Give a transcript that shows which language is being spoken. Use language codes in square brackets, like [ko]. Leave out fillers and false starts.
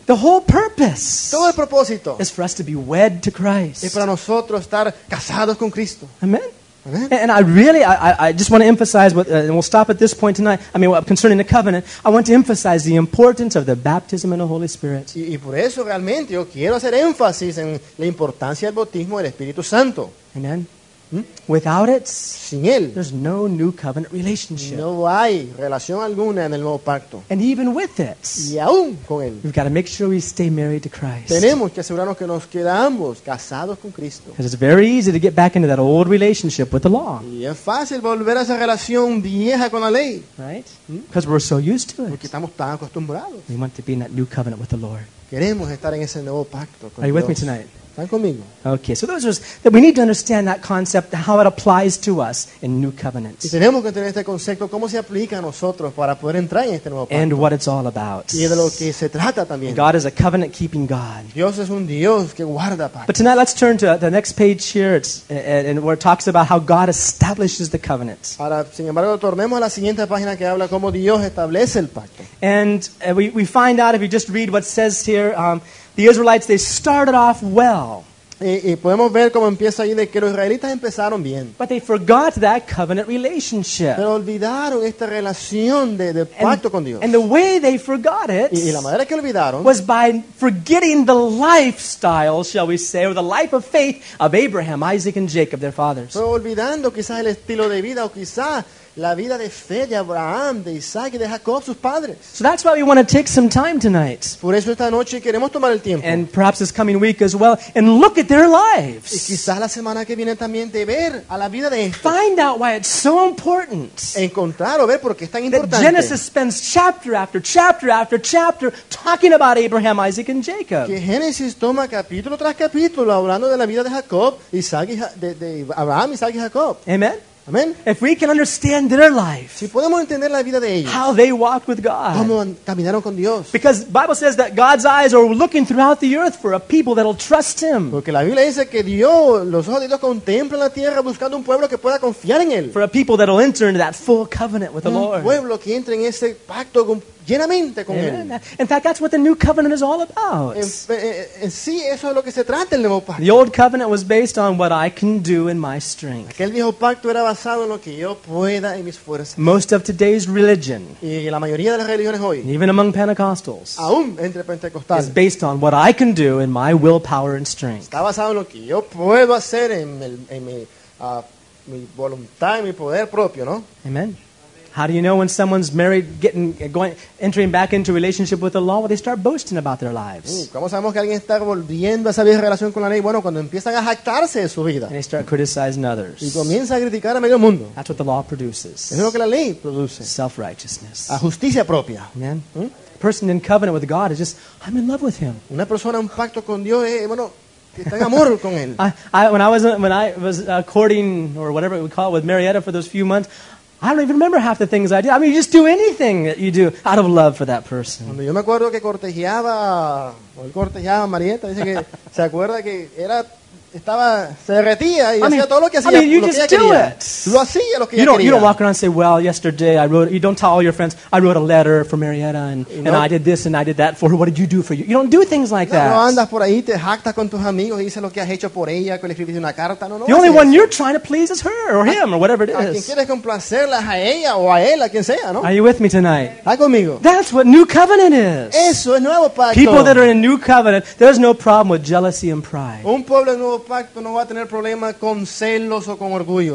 [en] The whole purpose. [es] Todo el propósito. [en] Is for us to be wed to Christ. [es] Es para nosotros estar casados con Cristo. [en] Amen. And I just want to emphasize, and we'll stop at this point tonight. I mean, concerning the covenant, I want to emphasize the importance of the baptism in the Holy Spirit. [es] Y por eso realmente yo quiero hacer énfasis en la importancia del bautismo del Espíritu Santo. [en] Amen. Without it, [es] sin él, [en] there's no new covenant relationship. [es] No hay relación alguna en el nuevo pacto. [en] And even with it, [es] y aún con él, [en] we've got to make sure we stay married to Christ. [es] Tenemos que asegurarnos que nos quedamos casados con Cristo. [en] Because it's very easy to get back into that old relationship with the law. [es] Y es fácil volver a esa relación vieja con la ley. [en] Right? Because we're so used to it. [es] Porque estamos tan acostumbrados. [en] We want to be in that new covenant with the Lord. [es] Queremos estar en ese nuevo pacto con [en] Are you [es] Dios. [en] With me tonight? [es] Conmigo. [en] Okay, so those are that we need to understand that concept, how it applies to us in New Covenant. [es] Y tenemos que entender este concepto, cómo se aplica a nosotros para poder entrar en este nuevo pacto. [en] And what it's all about. [es] Y de lo que se trata también. [en] God is a covenant-keeping God. [es] Dios es un Dios que guarda pacto. [en] But tonight, let's turn to the next page here, and where it talks about how God establishes the covenant. [es] Ahora, sin embargo, tornemos a la siguiente página que habla cómo Dios establece el pacto. [en] And we find out if you just read what says here. The Israelites, they started off well. [es] Y podemos ver cómo empieza ahí de que los israelitas empezaron bien. [en] But they forgot that covenant relationship. [es] Pero olvidaron esta relación de pacto [en] and, [es] con Dios. [en] And the way they forgot it [es] y la manera que olvidaron [en] was by forgetting the lifestyle, shall we say, or the life of faith of Abraham, Isaac, and Jacob, their fathers. [es] Pero olvidando quizás el estilo de vida o quizás la vida de fe de Abraham, de Isaac y de Jacob, sus padres. [en] So that's why we want to take some time tonight. [es] Por eso esta noche queremos tomar el tiempo. [en] And perhaps this coming week as well. And look at their lives. [es] Y quizás la semana que viene también de ver a la vida de estos. [en] Find out why it's so important. [es] Encontrar o ver por qué es tan importante. [en] That Genesis spends chapter after chapter after chapter talking about Abraham, Isaac, and Jacob. [es] Que Génesis toma capítulo tras capítulo hablando de la vida de Jacob, Isaac y de Abraham, Isaac y Jacob. [en] Amen. Amen. If we can understand their life, [es] si podemos entender la vida de ellos, [en] how they walked with God, [es] cómo caminaron con Dios. [en] Because the Bible says that God's eyes are looking throughout the earth for a people that'll trust Him. [es] Porque la Biblia dice que Dios, los ojos de Dios contemplan la tierra buscando un pueblo que pueda confiar en Él. [en] For a people that'll enter into that full covenant with [es] un [en] the Lord. [es] Un pueblo que entre en ese pacto con llenamente con él. [en] In fact, that's what the new covenant is all about. [es] Sí, eso es lo que se trata el nuevo pacto. [en] The old covenant was based on what I can do in my strength. [es] Aquel viejo pacto era basado en lo que yo pueda y mis fuerzas. [en] Most of today's religion, [es] y la mayoría de las religiones hoy, [en] even among Pentecostals, [es] aún entre Pentecostales, [en] is based on what I can do in my willpower and strength. [es] Está basado en lo que yo puedo hacer en mi voluntad y mi poder propio, ¿no? [en] Amen. How do you know when someone's married, entering back into a relationship with the law, well, they start boasting about their lives? [es] ¿Cómo sabemos que alguien está volviendo a esa vieja relación con la ley? Bueno, cuando empiezan a jactarse de su vida. [en] And they start criticizing others. [es] Y comienza a criticar a medio mundo. [en] That's what the law produces. [es] Es lo que la ley produce. [en] Self-righteousness. [es] A justicia propia. [en] Amen. A person in covenant with God is just, I'm in love with Him. [es] Una persona en pacto con Dios es, bueno, está en amor con Él. [en] When I was courting, or whatever we call it, with Marietta for those few months, I don't even remember half the things I did. I mean, you just do anything that you do out of love for that person. [es] Cuando yo me acuerdo que cortejeaba, o él cortejeaba a Marieta, dice que se acuerda que era, estaba, se derretía y hacía todo lo que hacía, [en] I mean, you just do [es] quería. [en] It. [es] Lo hacía lo que ella quería. [en] You don't walk around and say, well, yesterday I wrote, you don't tell all your friends, I wrote a letter for Marieta and I did this and I did that for her. What did you do for you? You don't do things like that. [es] No andas por ahí, te jactas con tus amigos y dices lo que has hecho por ella, que le escribiste una carta. [en] No, the only one you're trying to please is her or him or whatever it is. [es] A quien quieres complacerla es a ella o a él, a quien sea, ¿no? [en] Are you with me tonight? [es] Está conmigo. [en] That's what new covenant is. [es] Eso es nuevo pacto. [en] People that are in a new covenant, there's no problem with jealousy and pride. [es] Un pueblo nuevo pacto no va a tener problema con celos o con orgullo.